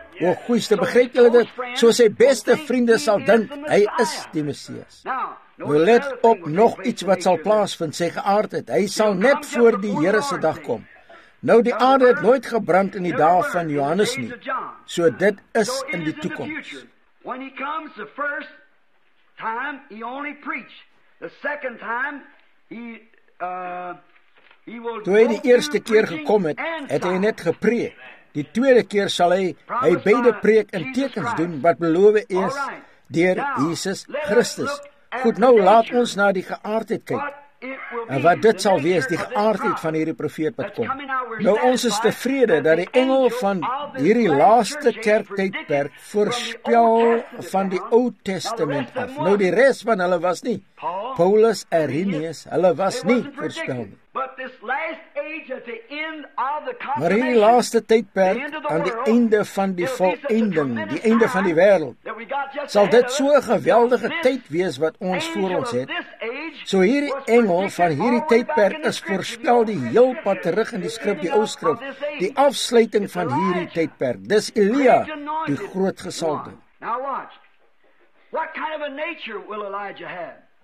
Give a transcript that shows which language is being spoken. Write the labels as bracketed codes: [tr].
[af] O, goeiste, begryp julle dit? So sy beste vriende sal dink, hy is die Messias. Nou let op nog iets wat sal plaasvind, sê geaardheid. Hy sal net voor die Here se dag kom. Nou die aarde het nooit gebrand in die dae van Johannes nie. So dit is in die toekoms. [en] When he comes the first time he only preach. The second time he will [af] toe hy die eerste keer gekom het, het hy net gepreek. Die tweede keer sal hy beide preek en tekens doen wat beloof is deur Jesus Christus. Goed, nou laat ons na die geaardheid kyk. En wat dit sal wees, die geaardheid van hierdie profeet wat kom. Nou ons is tevrede dat die engel van hierdie laaste kerktydperk voorspel van die Ou Testament af. Nou die res van hulle was nie. Paulus, Irenaeus, hulle was nie voorspel nie. Maar hierdie laaste tydperk aan die einde van die volending, die einde van die wêreld, sal dit so 'n geweldige tyd wees wat ons voor ons het. So hierdie engel van hierdie tydperk is voorspel die heel pad terug in die skrif, die ou skrif, die afsluiting van hierdie tydperk. Dis Elia, die groot gesalfde. [en] Now watch. What kind of a nature will Elijah have?